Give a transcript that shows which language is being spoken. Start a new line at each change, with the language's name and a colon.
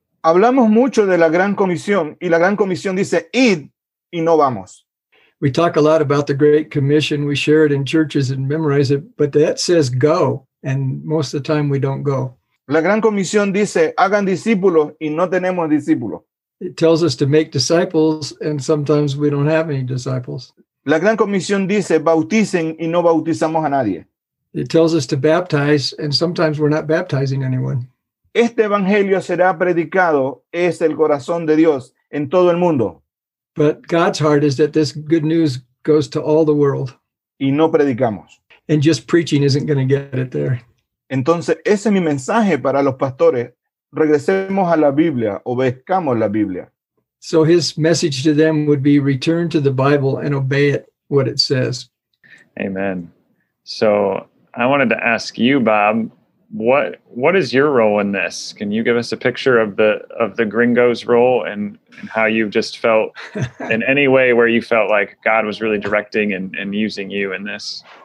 Spanish: Hablamos mucho de la Gran Comisión, y la Gran Comisión dice, id. Y no vamos.
English: We talk a lot about the Great Commission. We share it in churches and memorize it. But that says go. And most of the time we don't go.
Spanish: La Gran Comisión dice, hagan discípulos y no tenemos discípulos.
English: It tells us to make disciples and sometimes we don't have any disciples.
Spanish: La Gran Comisión dice, bauticen y no bautizamos a nadie.
English: It tells us to baptize and sometimes we're not baptizing anyone.
Spanish: Este evangelio será predicado, es el corazón de Dios en todo el mundo.
English: But God's heart is that this good news goes to all the world.
Spanish: Y no predicamos.
English: And just preaching isn't going to get it there.
Spanish: Entonces, ese es mi mensaje para los pastores. Regresemos a la Biblia, obedezcamos la Biblia.
English: So his message to them would be return to the Bible and obey it, what it says. Amen. So I wanted to ask you, Bob, what is your role in this? Can you give us a picture of the gringo's role and how you just felt in any way where you felt like God was really directing and using you in this?